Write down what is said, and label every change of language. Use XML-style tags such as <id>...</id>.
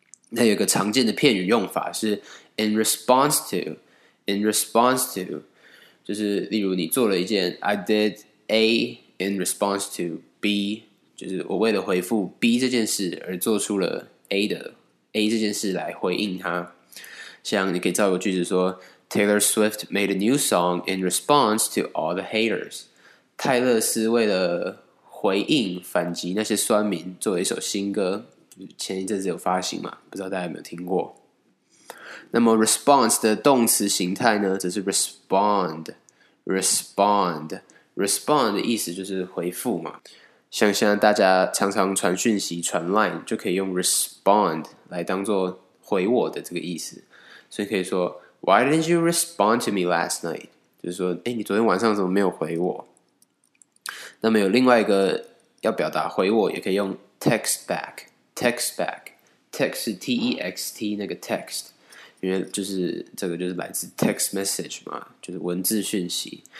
<zh>那有个常见的片语用法是 in response to in response to 就是例如你做了一件</zh> <en>I did A in response to B</en> <zh>就是我为了回复 B 这件事而做出了 A 的 A 这件事来回应它</zh> <en>像你可以造个句子说 Taylor Swift made a new song in response to all the haters.</en> <zh>泰勒斯为了回应反击那些酸民做了一首新歌，前一阵子有发行嘛，不知道大家有没有听过。那么 response 的动词形态呢，则是 respond 的意思就是回复嘛。像现在大家常常传讯息传 line， 就可以用 respond 来当做回我的这个意思。</zh> <en>所以可以说 Why didn't you respond to me last night？</en> <zh>就是说诶，你昨天晚上怎么没有回我。那么有另外一个要表达回我，也可以用 text back， text 是 T-E-X-T 那个 text，因为就是这个就是来自 text message 嘛，就是文字讯息。</zh>